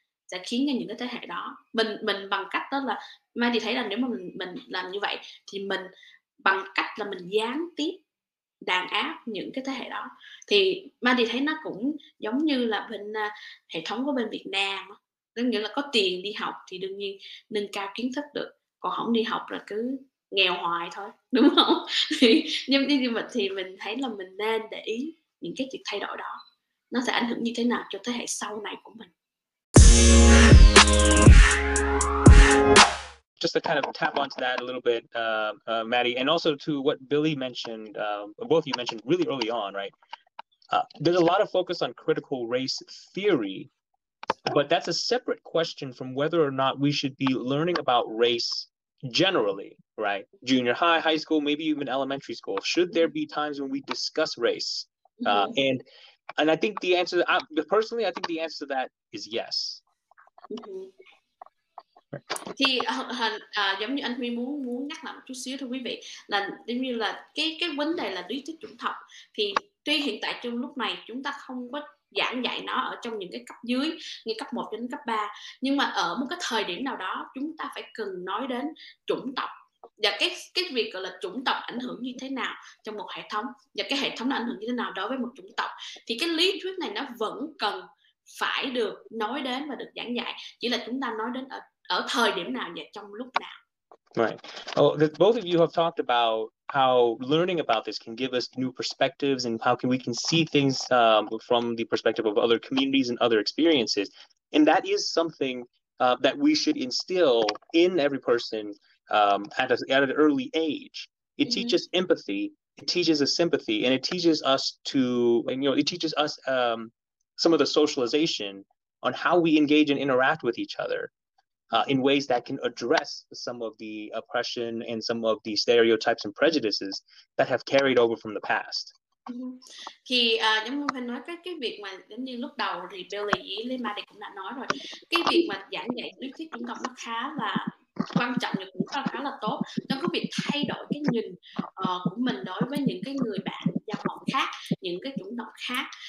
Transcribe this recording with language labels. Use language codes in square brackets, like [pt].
[vi] sẽ khiến cho những cái thế hệ đó mình bằng cách đó là Mai thì thấy là nếu mà mình làm như vậy thì mình bằng cách là mình gián tiếp đàn áp những cái thế hệ đó, thì Mai thì thấy nó cũng giống như là bên hệ thống của bên Việt Nam, tức nghĩa là có tiền đi học thì đương nhiên nâng cao kiến thức được, còn không đi học là cứ nghèo hoài thôi, đúng không? Thì mình thấy là mình nên để ý những cái việc thay đổi đó nó sẽ ảnh hưởng như thế nào cho thế hệ sau này của mình. [en] Just to kind of tap onto that a little bit, Maddie, and also to what Billy mentioned, both of you mentioned really early on, right? There's a lot of focus on critical race theory, but that's a separate question from whether or not we should be learning about race generally, right? Junior high, high school, maybe even elementary school. Should there be times when we discuss race? And I think the answer, personally, I think the answer to that is yes. [vi] Thì giống như anh Huy muốn nhắc lại một chút xíu thôi quý vị, là giống như là cái vấn đề là lý thuyết chủng tộc, thì tuy hiện tại trong lúc này chúng ta không có giảng dạy nó ở trong những cái cấp dưới như cấp 1 đến cấp 3, nhưng mà ở một cái thời điểm nào đó chúng ta phải cần nói đến chủng tộc và cái việc gọi là chủng tộc ảnh hưởng như thế nào trong một hệ thống, và cái hệ thống nó ảnh hưởng như thế nào đối với một chủng tộc, thì cái lý thuyết này nó vẫn cần phải được nói đến và được giảng dạy, chỉ là chúng ta nói đến ở thời điểm nào và trong lúc nào. [en] Right. Oh, both of you have talked about how learning about this can give us new perspectives and how can we can see things from the perspective of other communities and other experiences. And that is something that we should instill in every person at an early age. It teaches empathy. It teaches us sympathy, and it teaches us some of the socialization on how we engage and interact with each other. In ways that can address some of the oppression and some of the stereotypes and prejudices that have carried over from the past. [vi] Thì giống như phải nói cái việc mà giống như lúc đầu thì Billy với Lima thì cũng đã nói rồi, cái việc mà giảng dạy lý thuyết chủng tộc nó khá là quan trọng và cũng khá là tốt, nó có việc thay đổi cái nhìn của mình đối với những cái người bạn da màu khác, những cái chủng tộc khác.